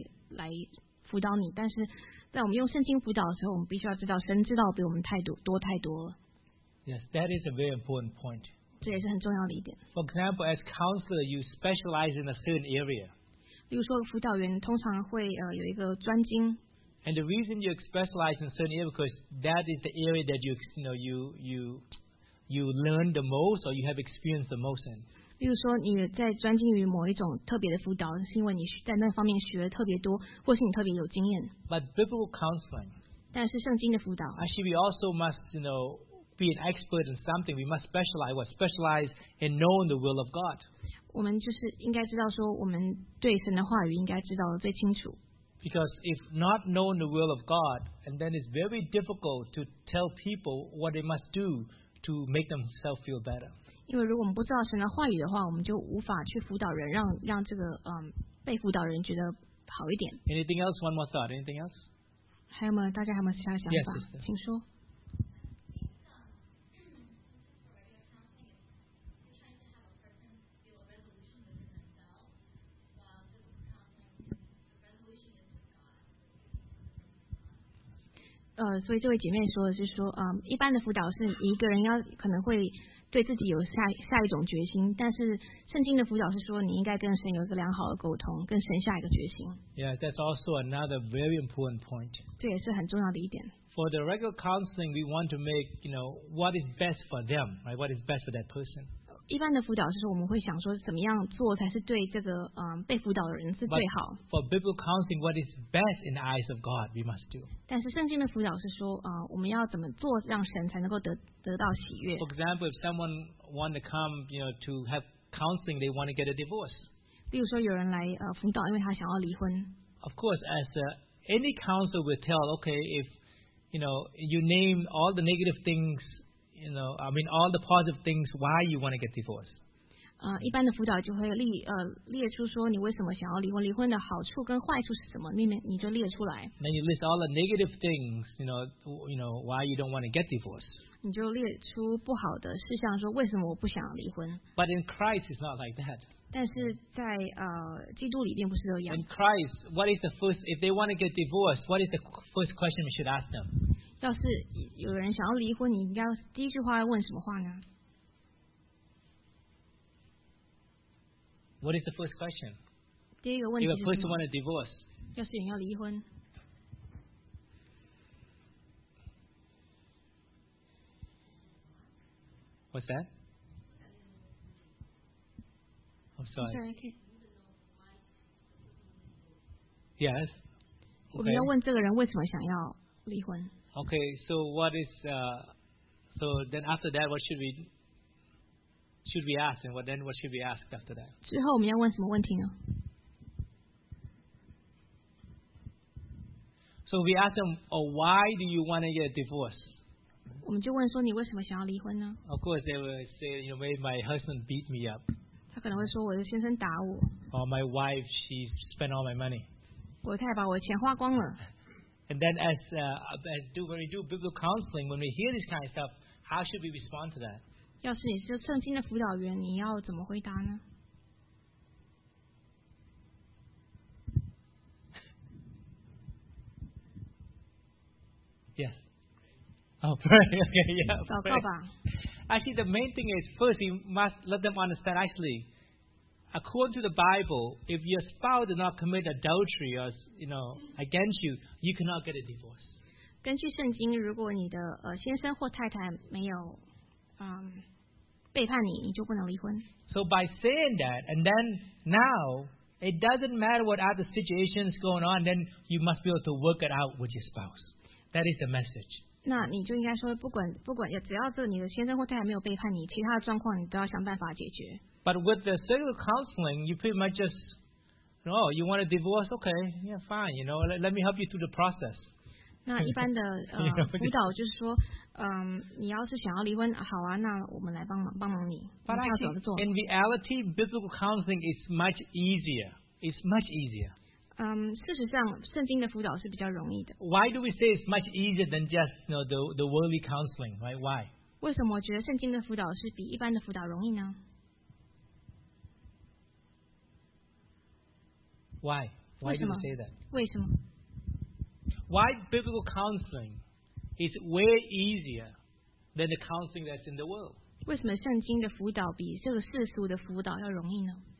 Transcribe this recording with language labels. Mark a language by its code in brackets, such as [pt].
[en] A lot of experiences and things that they observed physically with based on the Bible. [zh] 在我们用圣经辅导的时候，我们必须要知道神知道比我们太多多太多了。 [en] Yes, that is a very important point. [zh] 这也是很重要的一点。 [en] For example, as counselor, you specialize in a certain area. [zh] 例如说，辅导员通常会 有一个专精。 [en] And the reason you specialize in a certain area because that is the area that you know you learn the most or you have experience the most in. [zh] 例如说你在专精于某一种特别的辅导，是因为你在那方面学特别多，或是你特别有经验。 [en] But biblical counseling. [zh] 但是圣经的辅导。 [en] Actually, we also must, you know, be an expert in something. We must specialize. What specialize in knowing the will of God. [zh] 我们就是应该知道说，我们对神的话语应该知道的最清楚。 [en] Because if not knowing the will of God, and then it's very difficult to tell people what they must do to make themselves feel better. [zh] 因为如果我们不知道神的话语的话，我们就无法去辅导人，让这个被辅导人觉得好一点。 [en] Anything else? One more thought. Anything else? [zh] 还有吗？大家还有没有其他想法？ [en] Yes, sister. [zh] 请说。所以这位姐妹说的是说，一般的辅导是一个人要可能会对自己有下一种决心，但是圣经的辅导是说你应该跟神有一个良好的沟通，跟神下一个决心。 [en] Yeah, that's also another very important point. [zh] 这也是很重要的一点。 [en] For the regular counseling, we want to make, you know, what is best for them, right? What is best for that person? [zh] 一般的辅导是说我们会想说怎么样做才是对这个被辅导的人是最好。 [en] But for biblical counseling, what is best in the eyes of God, we must do. [zh] 但是圣经的辅导是说我们要怎么做让神才能够得到喜悦。 [en] For example, if someone want to come, you know, to have counseling, they want to get a divorce. [zh] 例如说有人来辅导，因为他想要离婚。 [en] Of course, as any counselor will tell, okay, if you know, you name all the negative things, you know, I mean, all the positive things why you want to get divorced. [zh] 一般的辅导就会列出说你为什么想要离婚，离婚的好处跟坏处是什么，你就列出来。 [en] Then you list all the negative things, you know, why you don't want to get divorced. [zh] 你就列出不好的事项，说为什么我不想离婚。 [en] But in Christ, it's not like that. [zh] 但是在基督里并不是这样。 [en] In Christ, what is the first, if they want to get divorced, what is the first question we should ask them? [zh] 要是有人想要离婚，你应该第一句话要问什么话呢？ [en] What is the first question? [zh] 第一个问题是什么？ [en] If a person want a divorce. [zh] 要是有人要离婚。 [en] What's that? I'm sorry. Okay. Yes. Okay. [zh] 我们要问这个人为什么想要离婚。 [en] Okay, so what is, so then after that, what should we ask? And what should we ask after that? [zh] 之后我们要问什么问题呢？ [en] So we ask them, oh, why do you want to get a divorce? [zh] 我们就问说你为什么想要离婚呢？ [en] Of course, they will say, you know, maybe my husband beat me up. [zh] 他可能会说我的先生打我。 [en] Or my wife, she spent all my money. [zh] 我太太把我的钱花光了。 [en] And then when we do biblical counseling, when we hear this kind of stuff, how should we respond to that? [zh] 要是你是圣经的辅导员，你要怎么回答呢？ [en] Yes. Oh, pray. Okay, yeah. [zh] 祷告吧。 [en] Actually, the main thing is, first, you must let them understand, actually, according to the Bible, if your spouse does not commit adultery or, you know, against you, you cannot get a divorce. [zh] 根据圣经，如果你的先生或太太没有背叛你，你就不能离婚。 [en] So by saying that, and then now, it doesn't matter what other situations going on, then you must be able to work it out with your spouse. That is the message. [zh] 那你就应该说，不管只要是你的先生或太太没有背叛你，其他的状况你都要想办法解决。 [en] But with the circle counseling, you pretty much just, oh, you want a divorce? Okay, yeah, fine. You know, let me help you through the process. [zh] 那一般的辅导就是说，你要是想要离婚，好啊，那我们来帮忙你， [en] But actually, in reality, biblical counseling is much easier. It's much easier. [zh] 事实上，圣经的辅导是比较容易的。 [en] Why do we say it's much easier than just, you know, the worldly counseling, right? Why? [zh] 为什么我觉得圣经的辅导是比一般的辅导容易呢？ [en] Why do you say that? [zh] 为什么？ [en] Why biblical counseling is way easier than the counseling that's in the world? [zh] 为什么圣经的辅导比这个世俗的辅导要容易呢？